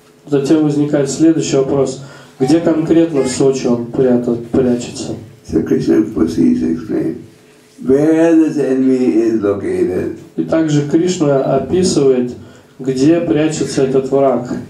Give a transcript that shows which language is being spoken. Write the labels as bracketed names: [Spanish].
[Russian] Затем возникает следующий вопрос. Где конкретно в Сочи он прячется? [English] So Krishna proceeds to explain, where this enemy is located. [Russian] И также Кришна описывает, где прячется этот враг.